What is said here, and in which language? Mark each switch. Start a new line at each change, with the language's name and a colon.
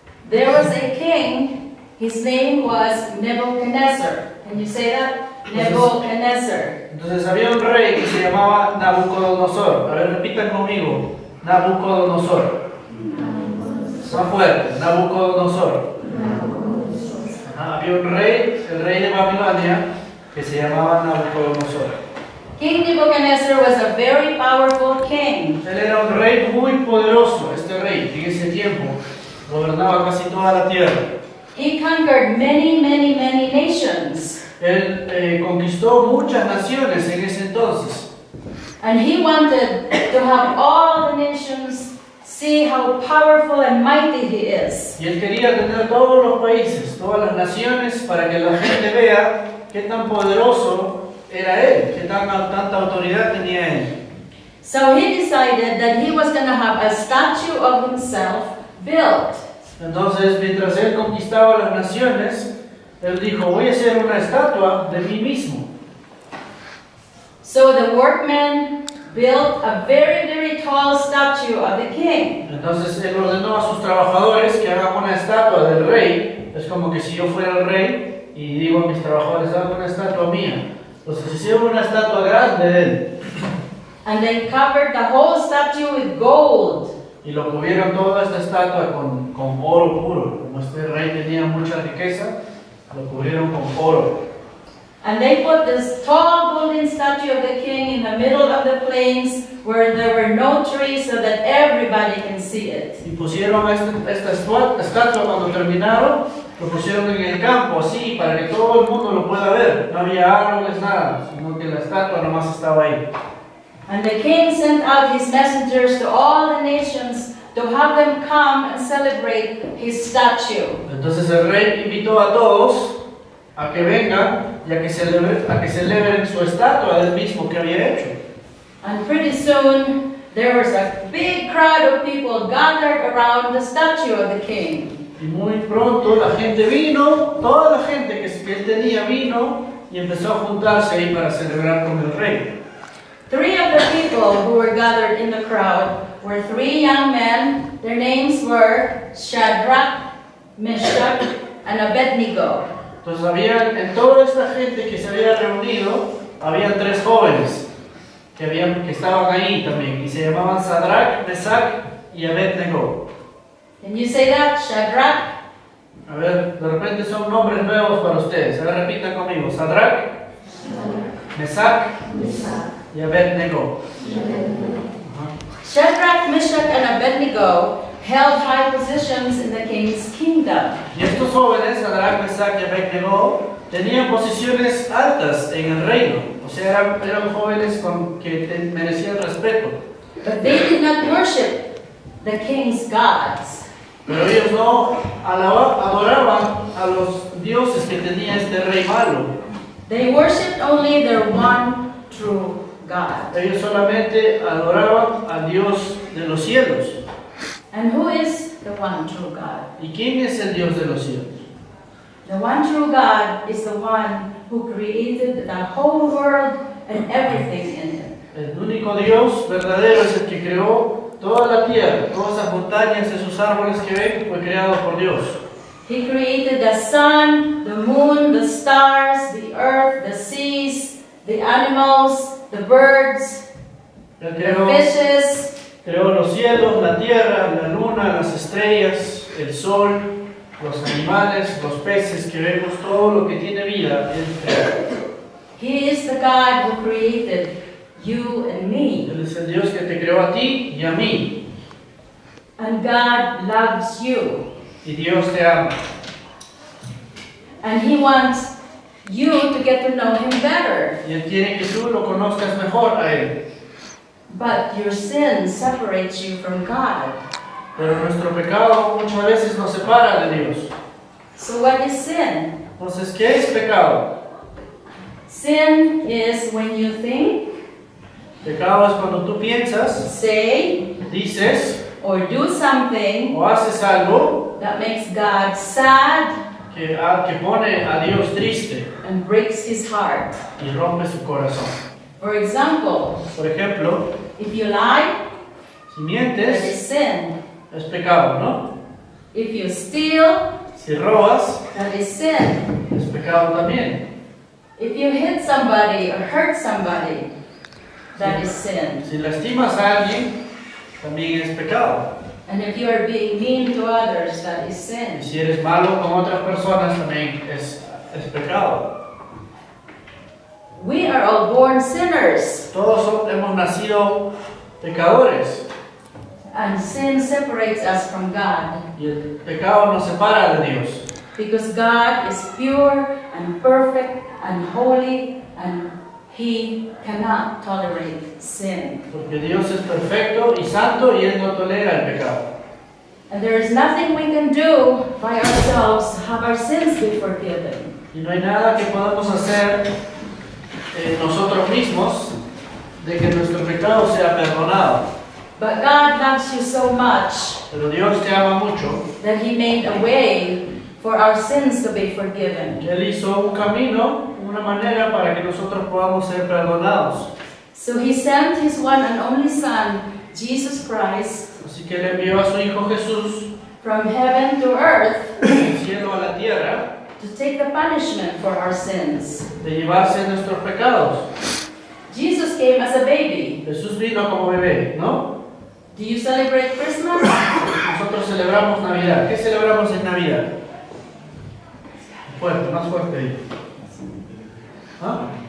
English: There was a king, his name was Nebuchadnezzar. Can you say that? Nebuchadnezzar.
Spanish: Entonces había un rey que se llamaba Nabucodonosor. A ver, repitan conmigo. Nabucodonosor. Está fuerte, Nabucodonosor. Había un rey, el rey de Babilonia, que se llamaba Nabucodonosor.
English: King Nebuchadnezzar was a very powerful king.
Spanish: Él era un rey muy poderoso, este rey, en ese tiempo. Gobernaba casi toda la tierra.
English: He conquered many, many, many nations.
Spanish: Él conquistó muchas naciones en ese entonces.
English: And he wanted to have all the nations see how powerful and mighty he is.
Spanish: Y él quería tener todos los países, todas las naciones, para que la gente vea qué tan poderoso era él, qué tanta autoridad tenía él.
English: So he decided that he was going to have a statue of himself built.
Spanish: Entonces, mientras él conquistaba las naciones, él dijo, voy a hacer una estatua de mí mismo.
English: So the workmen built a very, very tall statue of the king.
Spanish: Entonces él ordenó a sus trabajadores que hagan una estatua del rey. Es como que si yo fuera el rey y digo a mis trabajadores, hagan una estatua mía. Entonces hicieron una estatua grande de él.
English: And they covered the whole statue with gold.
Spanish: Y lo cubrieron toda esta estatua con oro puro. Como este rey tenía mucha riqueza, lo cubrieron con oro.
English: And they put this tall golden statue of the king in the middle of the plains where there were no trees so that everybody can see it.
Spanish: Y pusieron esta estatua cuando terminaron, lo pusieron en el campo así para que todo el mundo lo pueda ver. No había árboles, nada, sino que la estatua nomás estaba ahí.
English: And the king sent out his messengers to all the nations to have them come and celebrate his statue.
Spanish: Entonces el rey invitó a todos a que vengan y a que celebren su estatua del mismo que había hecho.
English: And pretty soon there was a big crowd of people gathered around the statue of the king.
Spanish: Y muy pronto la gente vino, toda la gente que él tenía vino y empezó a juntarse ahí para celebrar con el rey.
English: Three of the people who were gathered in the crowd were three young men. Their names were Shadrach, Meshach, and Abednego.
Spanish: Entonces había, en toda esta gente que se había reunido, había tres jóvenes que estaban ahí también, y se llamaban Shadrach, Meshach y Abednego.
English: Can you say that, Shadrach?
Spanish: A ver, de repente son nombres nuevos para ustedes. A ver, repita conmigo. Shadrach, Meshach y Abednego.
English: Shadrach, Meshach and Abednego held high positions in the king's kingdom.
Spanish: Y estos jóvenes, Shadrach, Meshach y Abednego, tenían posiciones altas en el reino. O sea, eran jóvenes que merecían respeto.
English: But they did not worship the king's gods.
Spanish: Pero ellos no adoraban a los dioses que tenía este rey malo.
English: They worshipped only their one true God.
Spanish: Ellos solamente adoraban a Dios de los cielos.
English: And who is the one true God?
Spanish: ¿Y quién es el Dios de los cielos?
English: The one true God is the one who created the whole world and everything in it.
Spanish: El único Dios verdadero es el que creó toda la tierra, todas las montañas, esos árboles que ven, fue creado por Dios.
English: He created the sun, the moon, the stars, the earth, the seas, the animals, the birds. the fishes,
Spanish: creó los cielos, la tierra, la luna, las estrellas, el sol, los animales, los peces que vemos, todo lo que tiene vida.
English: He is the God who created you and me.
Spanish: Él es el Dios que te creó a ti y a mí.
English: And God loves you.
Spanish: Y Dios te ama.
English: And He wants you to get to know Him better.
Spanish: Y Él quiere que tú lo conozcas mejor a Él.
English: But your sin separates you from God.
Spanish: Pero nuestro pecado muchas veces nos separa de Dios.
English: So what is sin?
Spanish: Entonces, ¿qué es pecado?
English: Sin is when you think.
Spanish: Pecado es cuando tú piensas.
English: Say.
Spanish: Dices.
English: Or do something.
Spanish: O haces algo.
English: That makes God sad.
Spanish: Que pone a Dios triste.
English: And breaks His heart.
Spanish: Y rompe su corazón.
English: For example.
Spanish: Por ejemplo.
English: If you lie.
Spanish: Si mientes.
English: That is sin.
Spanish: Es pecado, ¿no?
English: If you steal.
Spanish: Si robas.
English: That is sin.
Spanish: Es pecado también.
English: If you hit somebody or hurt somebody. That is sin.
Spanish: Si lastimas a alguien, también es pecado.
English: And if you are being mean to others, that is sin.
Spanish: Si eres malo con otras personas, también es pecado.
English: We are all born sinners.
Spanish: Todos hemos nacido pecadores.
English: And sin separates us from God.
Spanish: Y el pecado nos separa de Dios.
English: Because God is pure and perfect and holy and He cannot tolerate sin.
Spanish: Porque Dios es perfecto y santo y Él no tolera el pecado.
English: And there is nothing we can do by ourselves to have our sins be forgiven.
Spanish: Y no hay nada que podamos hacer nosotros mismos de que nuestro pecado sea perdonado.
English: But God loves you so much.
Spanish: Pero Dios te ama mucho.
English: That He made a way for our sins to be forgiven.
Spanish: Él hizo un camino, una manera para que nosotros podamos ser perdonados.
English: So He sent His one and only Son, Jesus Christ.
Spanish: Así que Él envió a su Hijo Jesús.
English: From heaven to earth.
Spanish: Del cielo a la tierra.
English: To take the punishment for our sins.
Spanish: De llevarse nuestros pecados.
English: Jesus came as a baby.
Spanish: Jesús vino como bebé, ¿no?
English: Do you celebrate Christmas?
Spanish: Nosotros celebramos Navidad. ¿Qué celebramos en Navidad? Fuerte, más fuerte. ¿Ah?